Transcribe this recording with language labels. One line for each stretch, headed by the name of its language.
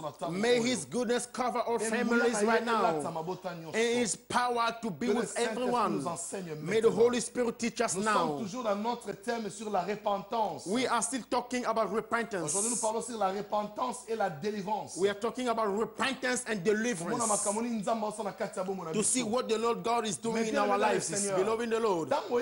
English: May his goodness cover all families right now. And his power to be with everyone. May the Holy Spirit teach. Just
French: nous
English: now.
French: Sommes toujours dans notre thème sur la repentance.
English: We are still talking about repentance.
French: Aujourd'hui, nous parlons sur la repentance et la délivrance.
English: We are talking about repentance and deliverance. To see what the Lord God is doing in our lives, beloved in the Lord.